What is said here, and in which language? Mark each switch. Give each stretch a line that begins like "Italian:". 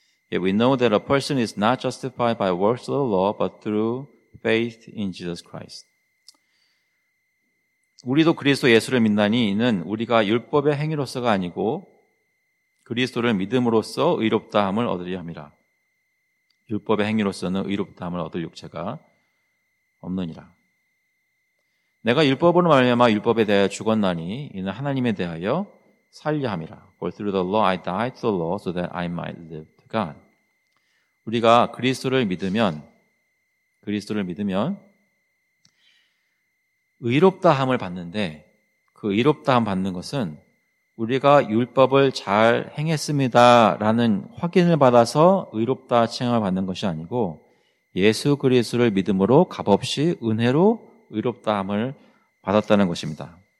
English: Yeah, we know that a person is not justified by works of the law, but through faith in Jesus Christ.
Korean: 우리도 그리스도 예수를 믿나니 이는 우리가 율법의 행위로서가 아니고 그리스도를 믿음으로써 의롭다함을 얻으려 함이라. 율법의 행위로서는 의롭다함을 얻을 육체가 없느니라. 내가 율법으로 말미암아 율법에 대하여 죽었나니 이는 하나님에 대하여 살려 함이라.
English: For through the law I died to the law so that I might live to God.
Korean: 우리가 그리스도를 믿으면 의롭다 함을 받는데 그 의롭다함 받는 것은 우리가 율법을 잘 행했습니다라는 확인을 받아서 의롭다 칭함을 받는 것이 아니고 예수 그리스도를 믿음으로 값없이 은혜로 의롭다함을 받았다는 것입니다.